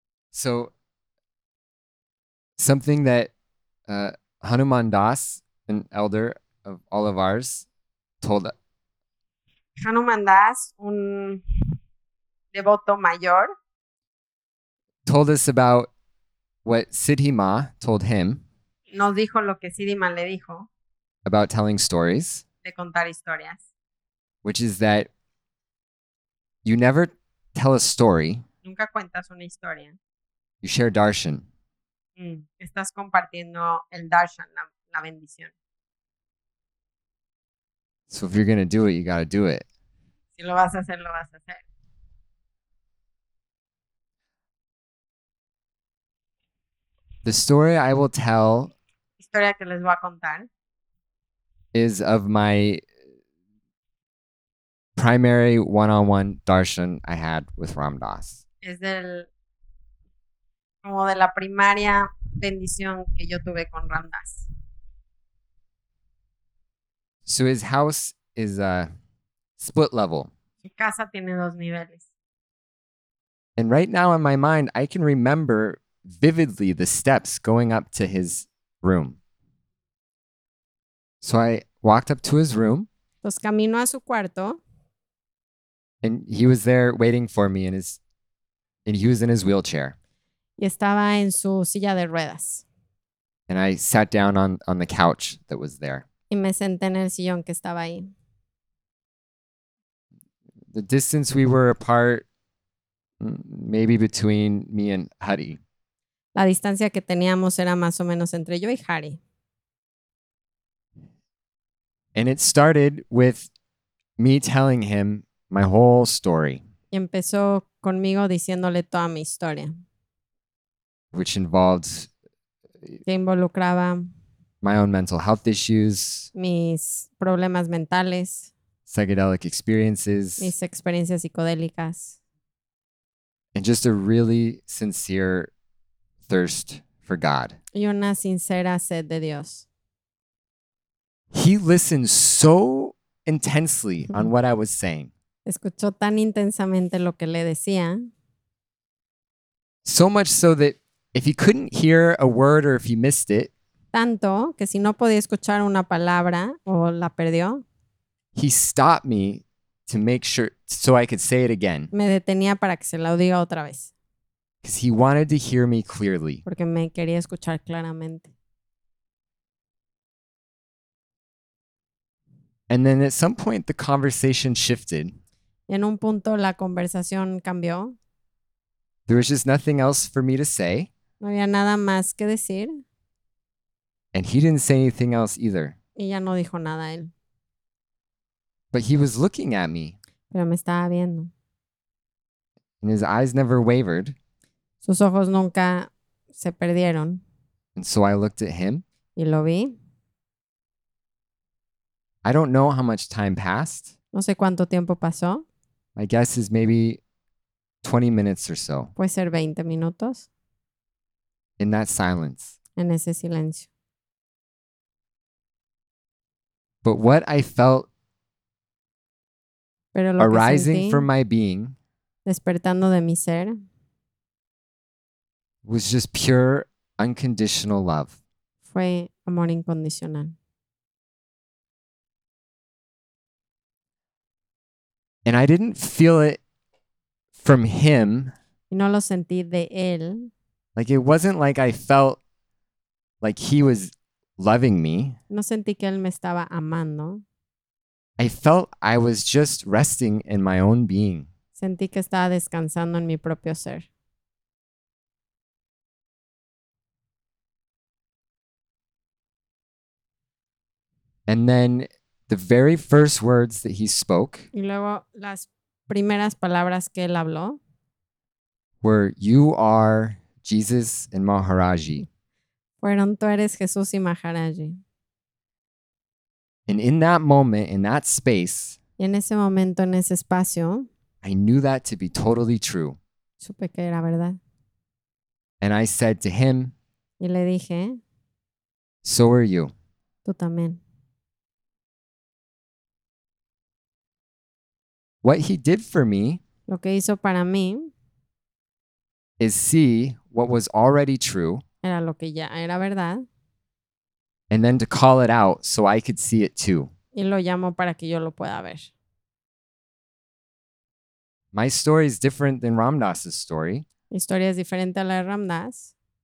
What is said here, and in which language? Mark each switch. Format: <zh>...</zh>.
<en>So, something that Hanuman Das, an elder of all of ours, told us.</en> <es>Hanuman Das, un devoto mayor,</es> <en>told us about what Siddhi Ma told him.</en> <es>Nos dijo lo que Siddhi Ma le dijo.</es> <en>About telling stories.</en> <es>De contar historias.</es> <en>Which is that you never tell a story.</en> <es>Nunca cuentas una historia.</es> <en>You share darshan.</en> <es>Estás compartiendo el darshan, la bendición.</es> <en>So if you're going to do it, you got to do it.</en> <es>Si lo vas a hacer, lo vas a hacer.</es> <en>The story I will tell</en> <es>historia que les voy a contar</es> <en>is of my primary one-on-one darshan I had with Ram Dass.</en> <es>Es del como de la primaria bendición que yo tuve con Ram Dass.</es> <en>So his house is a split level.</en> <es>Su casa tiene dos niveles.</es> <en>And right now in my mind, I can remember vividly the steps going up to his room. So I walked up to his room.</en> <es>Los camino a su cuarto.</es> <en>And he was there waiting for me in his, and he was in his wheelchair.</en> <es>Y estaba en su silla de ruedas.</es> <en>And I sat down on the couch that was there.</en> <es>Y me senté en el sillón que estaba ahí.</es> <en>The distance we were apart, maybe between me and Hari.</en> <es>La distancia que teníamos era más o menos entre yo y Hari.</es> <en>And it started with me telling him my whole story.</en> <es>Y empezó conmigo diciéndole toda mi historia.</es> <en>Which involved...</en> <es>Que involucraba...</es> <en>My own mental health issues.</en> <es>Mis problemas mentales.</es> <en>Psychedelic experiences.</en> <es>Mis experiencias psicodélicas.</es> <en>And just a really sincere thirst for God.</en> <es>Y una sincera sed de Dios.</es> <en>He listened so intensely on what I was saying.</en> <es>Escuchó tan intensamente lo que le decía.</es> <en>So much so that if he couldn't hear a word or if he missed it,</en> <es>tanto que si no podía escuchar una palabra o la perdió,</es> <en>he stopped me to make sure so I could say it again.</en> <es>Me detenía para que se la diga otra vez.</es> <en>Because he wanted to hear me clearly.</en> <es>Porque me quería escuchar claramente.</es> <en>And then at some point the conversation shifted.</en> <es>Y en un punto la conversación cambió.</es> <en>There was just nothing else for me to say.</en> <es>No había nada más que decir.</es> <en>And he didn't say anything else either.</en> <es>Y ya no dijo nada él.</es> <en>But he was looking at me.</en> <es>Pero me estaba viendo.</es> <en>And his eyes never wavered.</en> <es>Sus ojos nunca se perdieron.</es> <en>And so I looked at him.</en> <es>Y lo vi.</es> <en>I don't know how much time passed.</en> <es>No sé cuánto tiempo pasó.</es> <en>My guess is maybe 20 minutes or so.</en> <es>Puede ser 20 minutos.</es> <en>In that silence.</en> <es>En ese silencio.</es> <en>But what I felt</en> <es>pero lo</es> <en>arising</en> <es>que sentí,</es> <en>from my being</en> <es>despertando de mi ser,</es> <en>was just pure, unconditional love.</en> <es>Fue amor incondicional.</es> <en>And I didn't feel it from him.</en> <es>Y no lo sentí de él.</es> <en>Like it wasn't like I felt like he was loving me.</en> <es>No sentí que él me estaba amando.</es> <en>I felt I was just resting in my own being.</en> <es>Sentí que estaba descansando en mi propio ser.</es> <en>And then the very first words that he spoke,</en> <es>y luego las primeras palabras que él habló,</es> <en>were "You are Jesus and Maharaji."</en> <es>Fueron, tú eres Jesús y Maharaji.</es> <en>And in that moment, in that space,</en> <es>y en ese momento, en ese espacio,</es> <en>I knew that to be totally true.</en> <es>Supe que era verdad.</es> <en>And I said to him,</en> <es>y le dije,</es> <en>so are you.</en> <es>Tú también.</es> <en>What he did for me,</en> <es>lo que hizo para mí,</es> <en>is see what was already true.</en> <es>Era lo que ya era verdad.</es> <en>And then to call it out so I could see it too.</en> <es>Y lo llamo para que yo lo pueda ver.</es> <en>My story is different than Ram Dass's story.</en> <es>Mi historia es diferente a la de Ram Dass.</es>